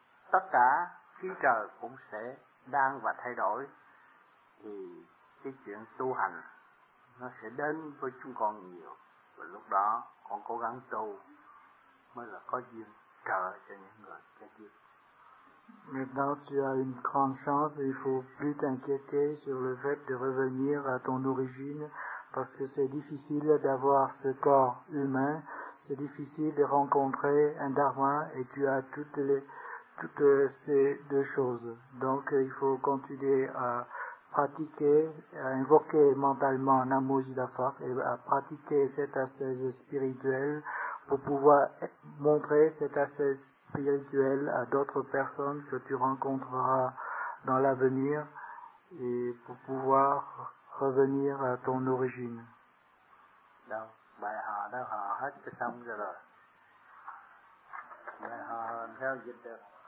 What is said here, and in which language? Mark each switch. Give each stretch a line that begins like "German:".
Vietnamese: tất cả khí trời cũng sẽ đang và thay đổi thì cái chuyện tu hành nó sẽ đến với chúng con nhiều và lúc đó con cố gắng tu mới là có duyên trợ cho những người kế tiếp.
French: Maintenant, tu as une grande chance et il ne faut plus t'inquiéter sur le fait de revenir à ton origine parce que c'est difficile d'avoir ce corps humain. C'est difficile de rencontrer un dharma et tu as toutes ces deux choses. Donc, il faut continuer à pratiquer, à invoquer mentalement Namo Amitabha et à pratiquer cette ascèse spirituelle pour pouvoir montrer cette ascèse spirituelle à d'autres personnes que tu rencontreras dans l'avenir et pour pouvoir revenir à ton origine. Non.
Vietnamese: Bài họ đã họ hết cái xong rồi rồi. Bài họ làm theo dịch được.